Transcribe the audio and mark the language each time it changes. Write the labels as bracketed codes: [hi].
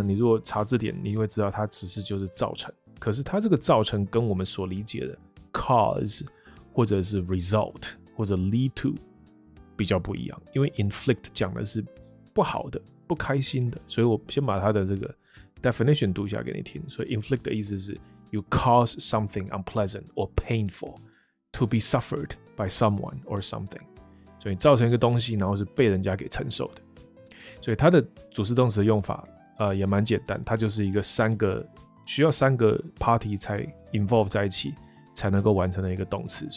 [zh] 你如果查字典，你会知道它只是就是造成，可是它这个造成跟我们所理解的 cause 或者是 result 或者 lead to 比较不一样，因为 inflict 讲的是不好的、不开心的，所以我先把它的这个 definition 读一下给你听。所以 [en] inflict [zh] 的意思是 [en] you cause something unpleasant or painful。 To be suffered by someone or something， [zh] 所以造成一个东西，然后是被人家给承受的。所以它的主词动词的用法，也蛮简单，它就是一个三个需要三个 party 才 involve 在一起才能够完成的一个动词。